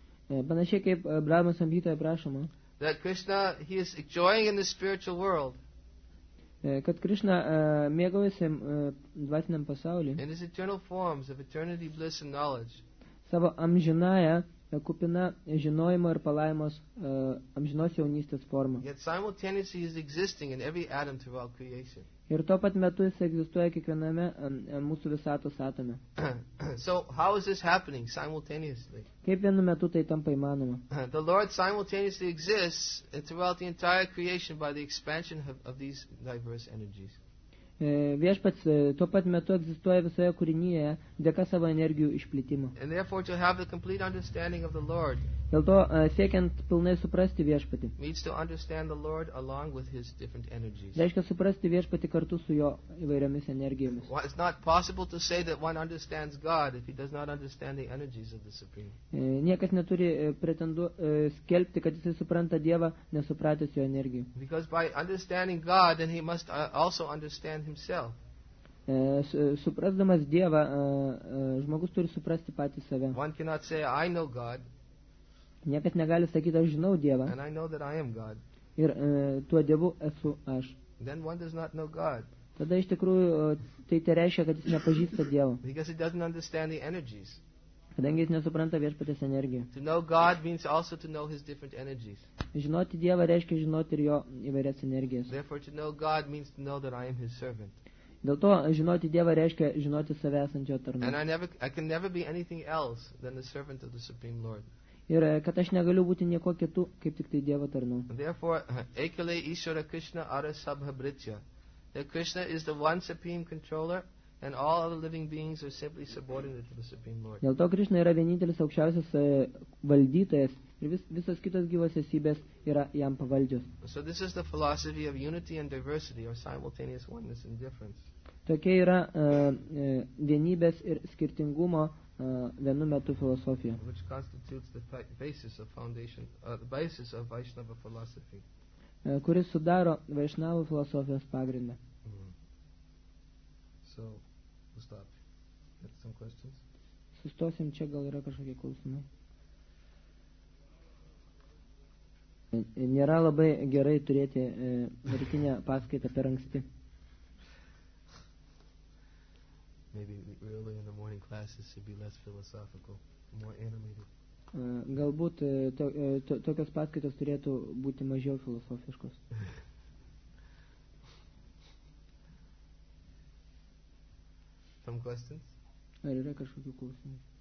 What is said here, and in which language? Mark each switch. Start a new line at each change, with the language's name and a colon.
Lithuanian: panašiai kaip Brahma Samhitoje prašoma,
English: that Krishna, he is enjoying in the spiritual world.
Lithuanian: Kad Krishna mėgaujasi dvasiniam pasaulį.
English: In his eternal forms of eternity, bliss and knowledge.
Lithuanian: Savo amžinąją kupina žinojimo ir palaimos amžinos jaunystės formą.
English: Yet simultaneously is existing in every atom throughout creation.
Lithuanian: Ir tuo pat metu jis egzistuoja kiekviename mūsų visatos atome.
English: So how is this happening simultaneously?
Lithuanian: Kaip vienu metu tai tampa įmanoma?
English: The Lord simultaneously exists throughout the entire creation by the expansion of these diverse energies.
Lithuanian: Viešpats tuo pat metu egzistuoja visoje kūrinyje dėka savo energijų išplitimo.
English: And therefore to have the complete understanding of the Lord.
Lithuanian: Dėl to siekiant pilnai suprasti viešpatį.
English: Means to understand the Lord along with his different energies.
Lithuanian: Reiškia suprasti viešpatį kartu su jo įvairiomis energijomis.
English: It's not possible to say that one understands God if he does not understand the energies of the Supreme.
Lithuanian: Niekas neturi pretendu skelbti, kad jisai supranta Dievą, nesupratęs jo energijų.
English: Because by understanding God, then he must also understand himself.
Lithuanian: Suprasdamas Dievą, žmogus turi suprasti patį save.
English: One cannot say, I know God.
Lithuanian: Niekas negali sakyti, aš žinau Dievą.
English: And I know that I am God.
Lithuanian: Ir tuo Dievu esu aš.
English: Then one does not know God.
Lithuanian: Tada iš tikrųjų tai reiškia, kad jis nepažįsta Dievą.
English: Because he doesn't understand the energies.
Lithuanian: Kadangi jis nesupranta viešpatės energiją.
English: To know God means also to know his different energies.
Lithuanian: Žinoti Dievą reiškia žinoti ir jo įvairias energijas.
English: Therefore to know God means to know that I am his servant.
Lithuanian: Dėl to žinoti Dievą reiškia žinoti save esant jo tarnu.
English: And I can never be anything else than the servant of the Supreme Lord.
Lithuanian: Ir kad aš negaliu būti nieko kitu, kaip tik tai Dievo tarnu.
English: Therefore,
Bangla: ekale ishvara krishna ara sabha britya.
English: That Krishna is the one supreme controller and all other living beings are simply subordinate to the Supreme Lord.
Lithuanian: Dėl to Krishna yra vienintelis aukščiausias valdytojas ir visos kitos gyvos esybės yra jam pavaldžios.
English: So this is the philosophy of unity and diversity or simultaneous oneness and difference.
Lithuanian: Tokia yra vienybės ir skirtingumo vienu metu filosofija.
English: Which constitutes the basis of foundation, the basis of Vaishnava philosophy.
Lithuanian: Kuris sudaro Vaishnava filosofijos pagrindą.
English: So, we'll stop. Got some questions?
Lithuanian: Sustosim, čia gal yra kažkokie klausimai. Nėra labai gerai turėti rytinę paskaitą per anksti.
English: Maybe early in the morning classes should be less philosophical, more animated.
Lithuanian: Galbūt tokios paskaitos turėtų būti mažiau filosofiškos.
English: Some questions?
Lithuanian: Ar yra kažkokių klausimų?